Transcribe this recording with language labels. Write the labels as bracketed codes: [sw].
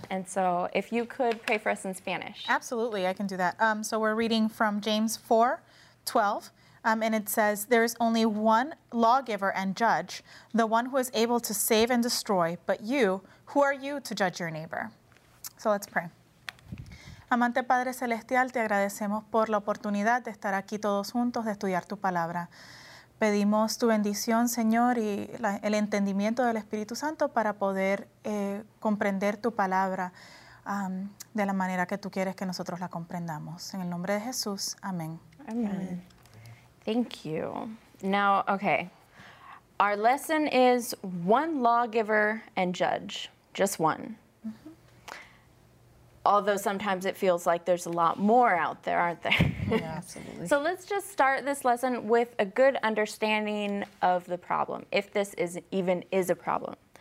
[en] And so if you could pray for us in Spanish. Absolutely, I can do that. So we're reading from James 4, 12. And it says, there is only one lawgiver and judge, the one who is able to save and destroy. But you, who are you to judge your neighbor? So let's pray. [es] Amante Padre Celestial, te agradecemos por la oportunidad de estar aquí todos juntos, de estudiar tu palabra. Pedimos tu bendición, Señor, y el entendimiento del Espíritu Santo para poder comprender tu palabra de la manera que tú quieres que nosotros la comprendamos. En el nombre de Jesús, amén. [en] Amén. Thank you. Now, okay. Our lesson is one lawgiver and judge, just one. Although sometimes it feels like there's a lot more out there, aren't there? Yeah, absolutely. So let's just start this lesson with a good understanding of the problem, if this even is a problem.